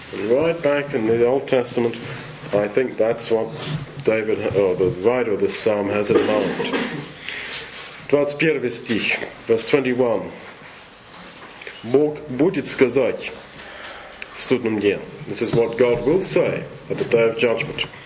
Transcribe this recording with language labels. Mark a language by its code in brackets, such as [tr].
[en] Right back in the Old Testament, I think that's what David, or the writer of this psalm, has in mind. [ru] 21 стих, [en] verse 21. [ru] Бог будет сказать в судном дне. [en] This is what God will say at the day of judgment.